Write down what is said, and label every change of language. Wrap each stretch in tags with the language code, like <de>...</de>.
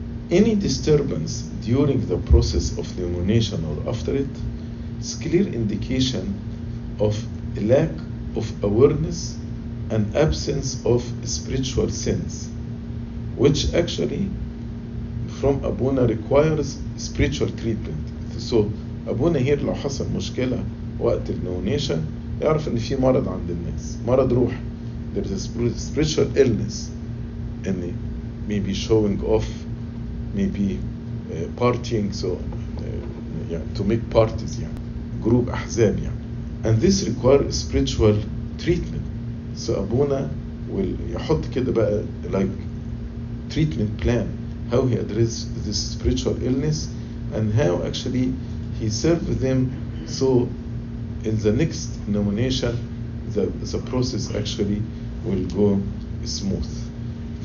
<en>Any disturbance during the process of nomination or after it is clear indication of a lack of awareness and absence of spiritual sense, which actually from Abuna requires spiritual treatment. So Abuna here,</en> <ar>لو حصل مشكلة وقت النونيشن, يعرف ان في مرض عند الناس, مرض روح.</ar> <en>There is a spiritual illness, and maybe showing off, maybe partying, so to make parties, group أحزاب, and this requires spiritual treatment. So Abuna will</en> <ar>يحط كده بقى</ar> <en>like treatment plan, how he addressed this spiritual illness and how actually he served them, so in the next nomination the process actually will go smooth.</en>